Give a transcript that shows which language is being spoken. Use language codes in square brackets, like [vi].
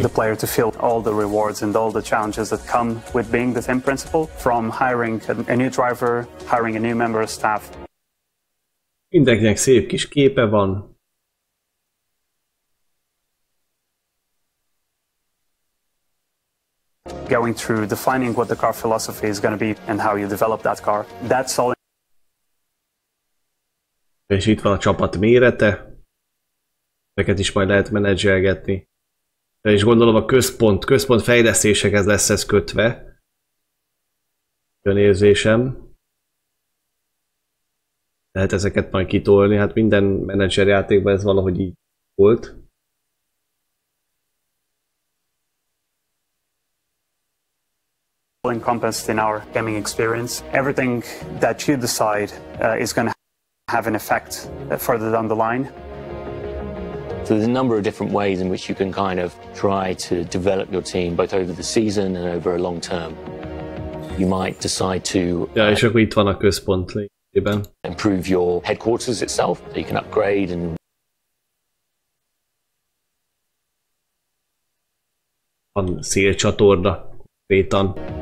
[en] The player to feel all the rewards and all the challenges that come with being the team principal, from hiring a new driver, hiring a new member of staff. [hu] Mindenkinek szép kis képe van. [en] Going through defining what the car philosophy is going to be and how you develop that car. That's all. [hu] És itt van a csapat mérete. Ezeket is majd lehet menedzselgetni. És gondolom a központ fejlesztésekhez lesz ez kötve. Jön érzésem. Lehet ezeket majd kitolni, hát minden menedzser játékban ez valahogy így volt. [en] Encompassed in our gaming experience, everything that you decide is going to have an effect further down the line. So there's a number of different ways in which you can kind of try to develop your team, both over the season and over a long term. You might decide to. [hu] Ja, és akkor itt van a központ. [en] Improve your headquarters itself, so you can upgrade and. [hu] Van szélcsatorna, konkrétan.